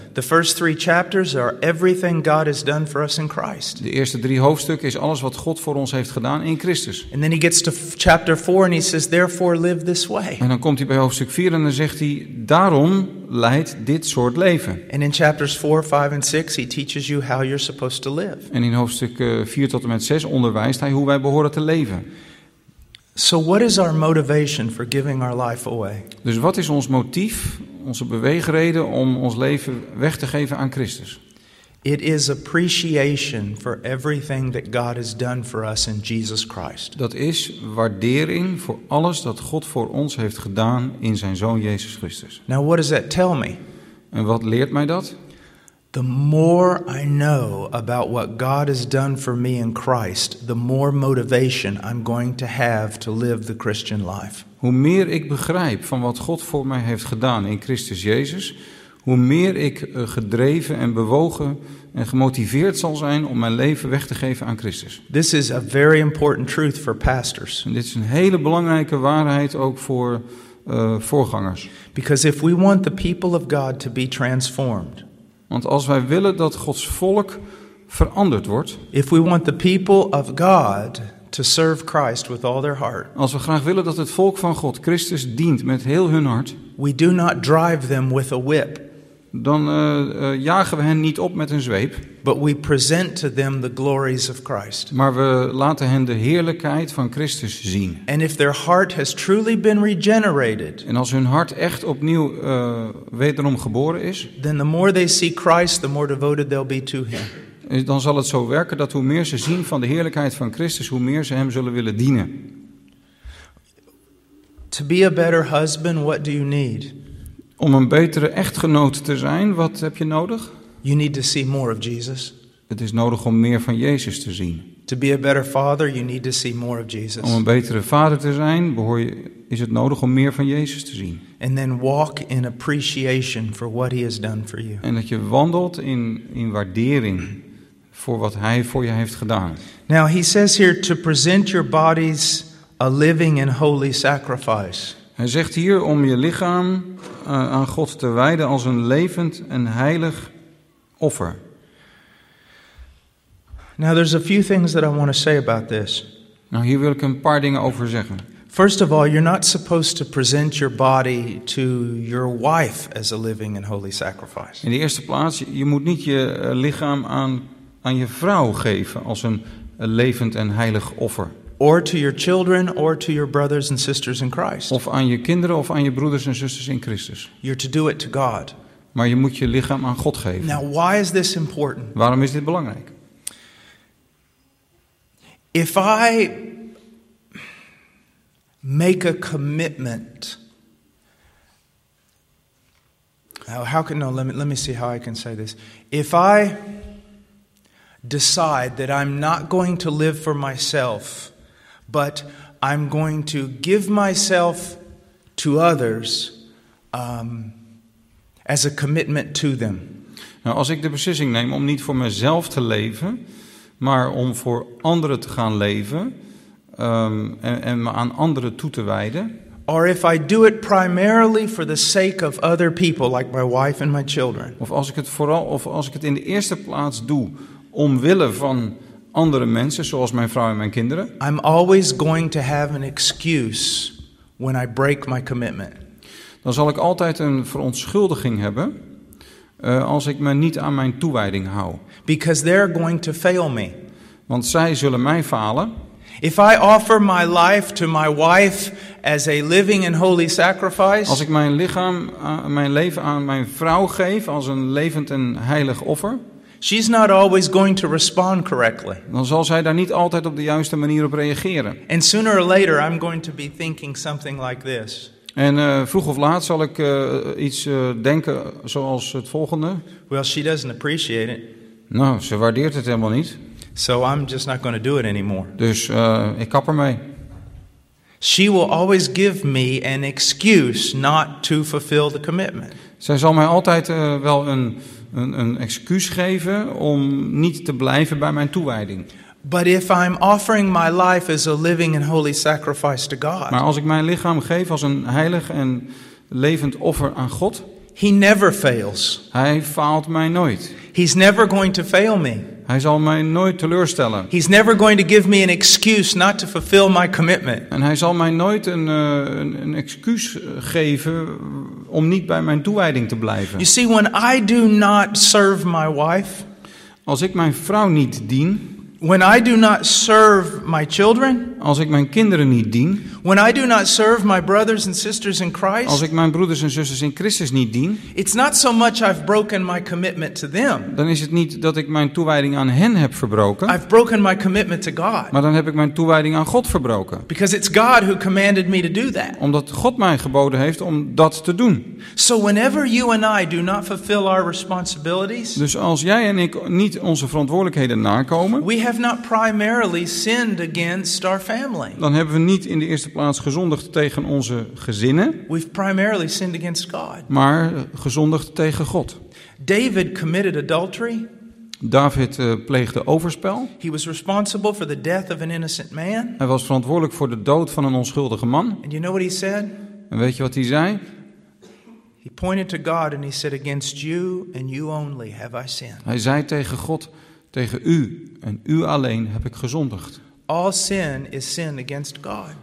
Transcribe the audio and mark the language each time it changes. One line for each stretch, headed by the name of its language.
English: The first three chapters are everything God has done for us in Christ.
Dutch: De eerste drie hoofdstukken is alles wat God voor ons heeft gedaan in Christus.
English: And then he gets to chapter 4 and he says therefore live this way.
Dutch: En dan komt hij bij hoofdstuk 4 en dan zegt hij daarom leidt dit soort leven.
English: And in chapters 4, 5 and 6 he teaches you how you're supposed to live.
Dutch: En in hoofdstuk 4 tot en met 6 onderwijst hij hoe wij behoren te leven.
English: So what is our motivation for giving our life away?
Dutch: Dus wat is ons motief, onze beweegreden om ons leven weg te geven aan Christus?
English: It is appreciation for everything that God has done for us in Jesus Christ.
Dutch: Dat is waardering voor alles dat God voor ons heeft gedaan in zijn zoon Jezus Christus.
English: Now what does that tell me?
Dutch: En wat leert mij dat?
English: The more I know about what God has done for me in Christ, the more motivation I'm going to have to live the Christian life.
Dutch: Hoe meer ik begrijp van wat God voor mij heeft gedaan in Christus Jezus, hoe meer ik gedreven en bewogen en gemotiveerd zal zijn om mijn leven weg te geven aan Christus.
English: This is a very important truth for pastors.
Dutch: En dit is een hele belangrijke waarheid ook voor voorgangers.
English: Because if we want the people of God to be transformed.
Dutch: Want als wij willen dat Gods volk veranderd wordt.
English: If we want the people of God to serve Christ with all their heart.
Dutch: Als we graag willen dat het volk van God Christus dient met heel hun hart.
English: We do not drive them with a whip.
Dutch: Dan jagen we hen niet op met een zweep.
English: But we present to them the glories of Christ.
Dutch: Maar we laten hen de heerlijkheid van Christus zien.
English: And if their heart has truly been regenerated.
Dutch: En als hun hart echt opnieuw wederom geboren is.
English: Then the more they see Christ, the more devoted they'll be to him.
Dutch: Dan zal het zo werken dat hoe meer ze zien van de heerlijkheid van Christus, hoe meer ze hem zullen willen dienen.
English: To be a better husband, what do you need?
Dutch: Om een betere echtgenoot te zijn, wat heb je nodig?
English: You need to see more of Jesus.
Dutch: Het is nodig om meer van Jezus te zien.
English: To be a better father, you need to see more of Jesus.
Dutch: Om een betere vader te zijn, is het nodig om meer van Jezus te zien.
English: And then walk in appreciation for what he has done for you.
Dutch: En dat je wandelt in waardering voor wat hij voor je heeft gedaan.
English: Now he says here to present your bodies a living and holy sacrifice.
Dutch: Hij zegt hier om je lichaam aan God te wijden als een levend en heilig offer.
English: Now there's a few things that I want to say about this.
Dutch: Nou, hier wil ik een paar dingen over zeggen.
English: First of all, you're not supposed to present your body to your wife as a living and holy sacrifice.
Dutch: In de eerste plaats, je moet niet je lichaam aan je vrouw geven als een levend en heilig offer.
English: Or to your children or to your brothers and sisters in Christ.
Dutch: Of aan je kinderen of aan je broeders en zusters in Christus.
English: You're to do it to God.
Dutch: Maar je moet je lichaam aan God geven.
English: Now, why is this important?
Dutch: Waarom is dit belangrijk?
English: If I make a commitment. Let me see how I can say this. If I decide that I'm not going to live for myself, but I'm going to give myself to others as a commitment to them.
Dutch: Nou, als ik de beslissing neem om niet voor mezelf te leven, maar om voor anderen te gaan leven en me aan anderen toe te wijden.
English: Or if I do it primarily for the sake of other people, like my wife and my children.
Dutch: Of als ik het in de eerste plaats doe omwille van andere mensen, zoals mijn vrouw en mijn kinderen.
English: I'm always going to have an excuse when I break my commitment.
Dutch: Dan zal ik altijd een verontschuldiging hebben als ik me niet aan mijn toewijding hou.
English: Because they're going to fail me.
Dutch: Want zij zullen mij falen.
English: If I offer my life to my wife as a living and holy sacrifice.
Dutch: Als ik mijn lichaam, mijn leven aan mijn vrouw geef als een levend en heilig offer.
English: She's not always going to respond correctly.
Dutch: Dan zal zij daar niet altijd op de juiste manier op reageren.
English: And sooner or later I'm going to be thinking something like this.
Dutch: En vroeg of laat zal ik iets denken zoals het volgende.
English: Well, she doesn't appreciate it.
Dutch: Nou, ze waardeert het helemaal niet.
English: So I'm just not going to do it anymore.
Dutch: Dus ik kap ermee.
English: She will always give me an excuse not to fulfill the commitment.
Dutch: Zij zal mij altijd wel een excuus geven om niet te blijven bij mijn toewijding.
English: But if I'm offering my life as a living and holy sacrifice to God.
Dutch: Maar als ik mijn lichaam geef als een heilig en levend offer aan God.
English: He never fails.
Dutch: Hij faalt mij nooit.
English: He's never going to fail me.
Dutch: Hij zal mij nooit teleurstellen.
English: He's never going to give me an excuse not to fulfill my commitment.
Dutch: En hij zal mij nooit een excuus geven om niet bij mijn toewijding te blijven.
English: You see, when I do not serve my wife,
Dutch: als ik mijn vrouw niet dien,
English: when I do not serve my children,
Dutch: als ik mijn kinderen niet dien,
English: when I do not serve my brothers and sisters in Christ,
Dutch: als ik mijn broeders en zusters in Christus niet dien,
English: it's not so much I've broken my commitment to them.
Dutch: Dan is het niet dat ik mijn toewijding aan hen heb verbroken.
English: I've broken my commitment to God.
Dutch: Maar dan heb ik mijn toewijding aan God verbroken.
English: Because it's God who commanded me to do that.
Dutch: Omdat God mij geboden heeft om dat te doen.
English: So whenever you and I do not fulfill our responsibilities,
Dutch: dus als jij en ik niet onze verantwoordelijkheden nakomen,
English: we have have not primarily sinned against our family.
Dutch: Dan hebben we niet in de eerste plaats gezondigd tegen onze gezinnen.
English: We've primarily sinned against God.
Dutch: Maar gezondigd tegen God.
English: David committed adultery.
Dutch: David pleegde overspel.
English: He was responsible for the death of an innocent man.
Dutch: Hij was verantwoordelijk voor de dood van een onschuldige man.
English: And you know what he said?
Dutch: En weet je wat hij zei?
English: He pointed to God and he said, "Against you and you only have I sinned."
Dutch: Hij zei tegen God, tegen u en u alleen heb ik gezondigd.
English: All sin is sin against God.